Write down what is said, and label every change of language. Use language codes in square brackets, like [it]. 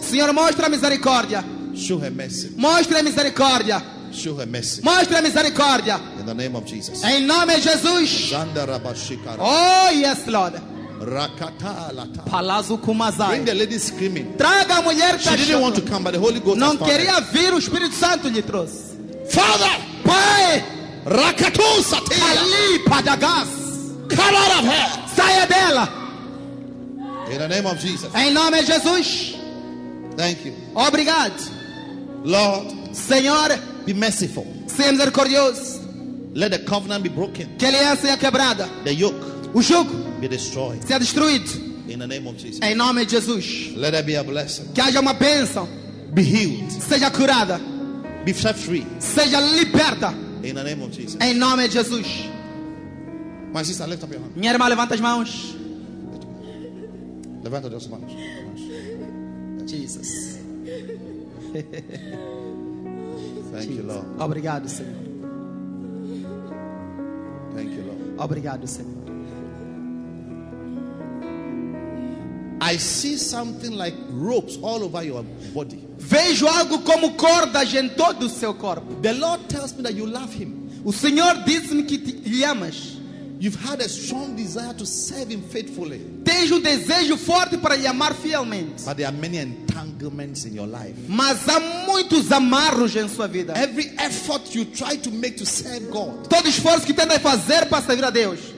[pt] Senhor, mostre a misericórdia. [en] Show her mercy. [pt] Mostre a misericórdia. [en] Show her mercy. [pt] Mostre a misericórdia. [en] In the name of Jesus. [pt] Em nome de Jesus. [en] Oh yes, Lord. Rakata lata. Palazzo Kumazai. Bring the lady screaming. [pt] Traga a mulher. [en] She didn't want to come, but the Holy Ghost. [pt] Não queria vir, o Espírito Santo lhe trouxe. [en] Father, [pt] Pai. Rakatu sati. Ali padagas. [en] Come out of her. [pt] Saia dela. [en] In the name of Jesus. [pt] Em nome de Jesus. [en] Thank you. [pt] Obrigado. [en] Lord. [pt] Senhor. [en] Be merciful. [pt] Seja misericordioso. [en] Let the covenant be broken. [pt] Que aliança seja quebrada. [en] The yoke. [pt] O jugo. [en] Be destroyed. [pt] Seja destruído. [en] In the name of Jesus. [pt] Em nome de Jesus. [en] Let there be a blessing. [pt] Que haja uma bênção. [en] Be healed. [pt] Seja curada. [en] Be set free. [pt] Seja liberta. [en] In the name of Jesus. [pt] Em nome de Jesus. [en] My sister, lift up your hand. [pt] Minha irmã, levanta as mãos. Levanta as mãos. [en] Jesus. Thank you, Lord. [pt] Obrigado, Senhor. [en] Thank you, Lord. [pt] Obrigado, Senhor. [en] I see something like ropes all over your body. [pt] Vejo algo como cordas em todo o seu corpo. [en] The Lord tells me that you love him. [pt] O Senhor diz-me que te amas. [en] You've had a strong desire to serve him faithfully. [pt] Tens desejo forte para lhe amar fielmente. [en] But there are many entanglements in your life. [pt] Mas há muitos amarros em sua vida. [en] Every effort you try to make to serve God. [pt] Todo esforço que tenta fazer para servir a Deus.